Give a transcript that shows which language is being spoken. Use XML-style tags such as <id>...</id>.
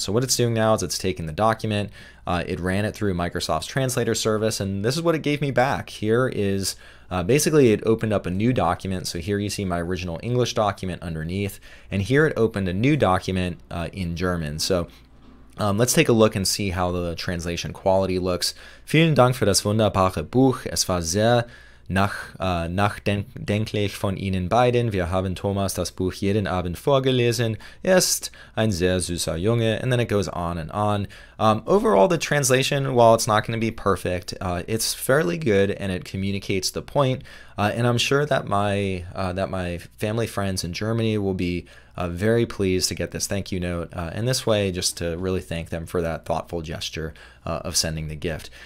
<en>So what it's doing now is it's taking the document, it ran it through Microsoft's translator service, and this is what it gave me back. Here is, basically it opened up a new document. So here you see my original English document underneath, and here it opened a new document in German. So let's take a look and see how the translation quality looks.</en> <de>Vielen Dank für das wunderbare Buch, es war sehr nachdenklich von Ihnen beiden. Wir haben Thomas das Buch jeden Abend vorgelesen. Er ist ein sehr süßer Junge.</de> <en>And then it goes on and on. Overall, the translation, while it's not going to be perfect, it's fairly good and it communicates the point. And I'm sure that my family friends in Germany will be Very pleased to get this thank you note in this way, just to really thank them for that thoughtful gesture of sending the gift.</en>